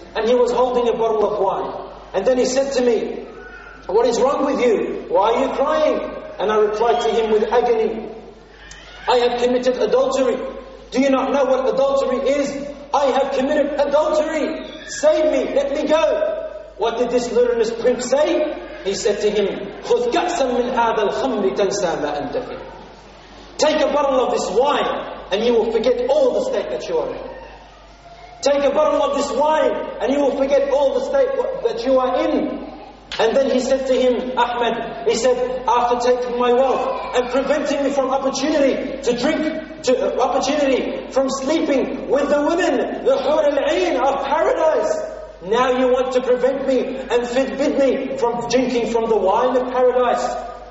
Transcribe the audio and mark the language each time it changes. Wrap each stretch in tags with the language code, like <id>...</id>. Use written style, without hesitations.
<en>And he was holding a bottle of wine. And then he said to me, what is wrong with you? Why are you crying? And I replied to him with agony, I have committed adultery. Do you not know what adultery is? I have committed adultery. Save me, let me go. What did this luminous pimp say? He said to him,</en> <ar>خُذْ كَأْسًا مِنْ هَذَا الْخَمْرِ تَنْسَى مَا أَنْتَ فِيهِ.</ar> <en>Take a bottle of this wine and you will forget all the state that you are in. Take a bottle of this wine and you will forget all the state that you are in. And then he said to him, Ahmed, he said, after taking my wealth and preventing me from opportunity to drink, opportunity from sleeping with the women, the Hur al-Ain of paradise, now you want to prevent me and forbid me from drinking from the wine of paradise.</en>